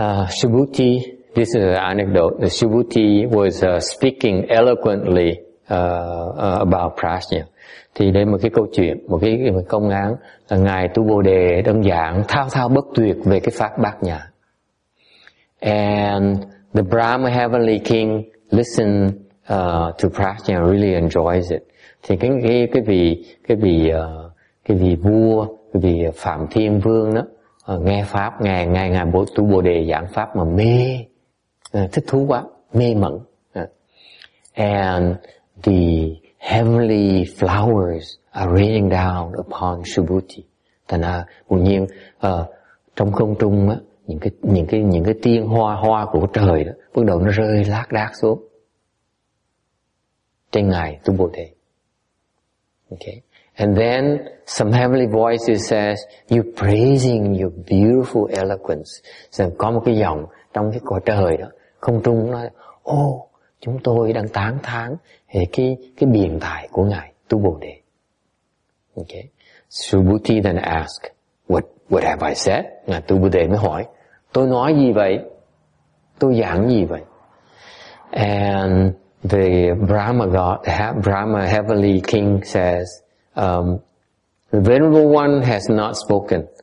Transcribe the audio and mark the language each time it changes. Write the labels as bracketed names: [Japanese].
[English] Subhuti, this is an anecdote. Subhuti was speaking eloquently about prajna. [Vietnamese] Thì đây một cái câu chuyện, một công án là ngài Tu Bồ Đề đơn giản thao thao bất tuyệt về cái pháp bát nhã. [English] And the Brahma heavenly king listen to prajna, really enjoys it. [Vietnamese] Thì cái vị vua, cái vị Phạm Thiên Vương đó nghe pháp ngài Tu Bồ Đề giảng pháp mà mê, thích thú quá, mê mẩn. [English] And the heavenly flowers are raining down upon Subhuti. [Vietnamese] Thành ra bỗng nhiên trong không trung á, những cái tiên hoa của trời đó bắt đầu nó rơi lác đác xuống trên ngài Tu Bồ Đề. [English] Okay. And then some heavenly voices says, "You're praising your beautiful eloquence." [Vietnamese] So, có một cái giọng trong cái cõi trời đó, không trung nói, "Oh, chúng tôi đang tán thán về cái biện tài của ngài Tu Bồ Đề." Okay. [English] Subhuti then ask, "What have I said?" [Vietnamese] Ngài Tu Bồ Đề mới hỏi, "Tôi nói gì vậy? Tôi giảng gì vậy?" [English] And the Brahma God, Brahma heavenly king says, "The venerable one has not spoken."